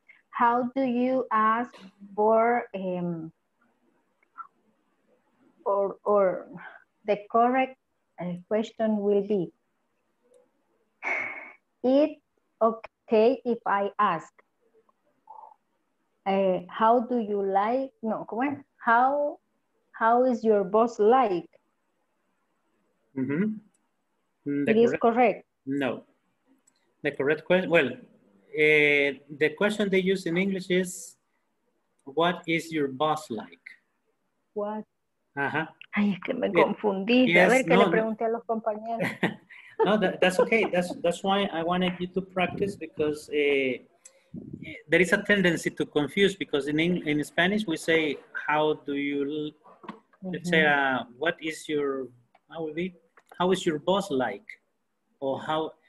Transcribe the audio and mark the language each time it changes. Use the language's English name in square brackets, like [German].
[English] How do you ask for or the correct question will be, it okay if I ask, how do you like, no, come on, how is your boss like? Mm-hmm. It is correct. No. The correct question, well, the question they use in English is, what is your boss like? What? Uh-huh. [Spanish] Ay, es que me confundí. Yes, a ver, no, que le pregunté a los compañeros. [English] No, that's okay. That's why I wanted you to practice, because there is a tendency to confuse, because in Spanish we say, how do you, let's say, what is your, how is your boss like? Or how...